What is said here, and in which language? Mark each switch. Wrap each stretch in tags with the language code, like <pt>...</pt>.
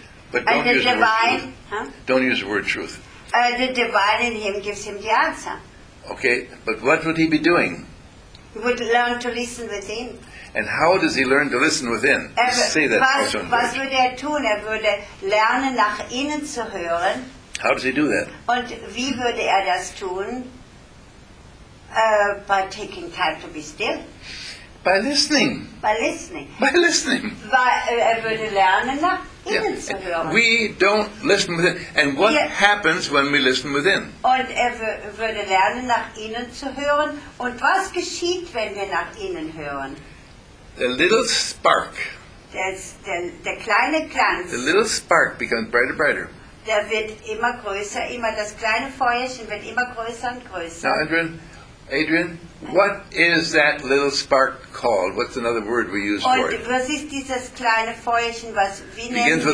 <en>But don't use the divine, word truth. Huh? Don't use the word truth. The divine in him gives him the answer. Okay, but what would he be doing? He would learn to listen within. And how does he learn to listen within? Say that also.</en> <de>Was würde er tun? Er würde lernen, nach innen zu hören.</de> <en>How does he do that?</en> <de>Und wie würde er das tun?</de> <en>By taking time to be still. By listening. By listening. By listening.</en> <de>Er würde lernen, nach innen zu hören.</de> <en>We don't listen within. And what happens when we listen within?</en> <de>Und würde lernen, nach innen zu hören. Und was geschieht, wenn wir nach innen hören?</de> <en>The little spark.</en> <de>Der kleine Glanz.</de> <en>The little spark becomes brighter, brighter.</en> <de>Der wird immer größer, immer das kleine Feuerchen wird immer größer und größer.</de> <en>Now, Adrian, what is that little spark called? What's another word we use for it?</en> <de>Und was ist dieses kleine Feuerchen, was wie nennen wir das?</de>